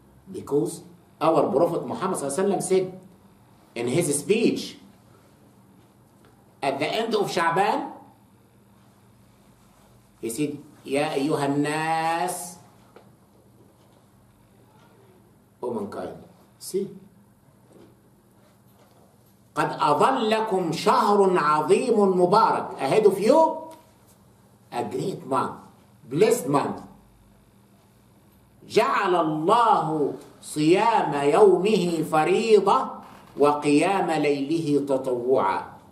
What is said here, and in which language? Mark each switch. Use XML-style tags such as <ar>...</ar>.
<en>Because our Prophet Muhammad sallallahu alayhi wa sallam said in his speech at the end of Sha'ban, he said,</en> <ar>يا أيها الناس ومنكين.</ar> <en>See,</en> <ar>قد أظل لكم شهر عظيم مبارك.</ar> <en>Ahead of you, a great month, blessed month.</en> <ar>جعل الله صيام يومه فريضة وقيام ليله تطوعا.</ar>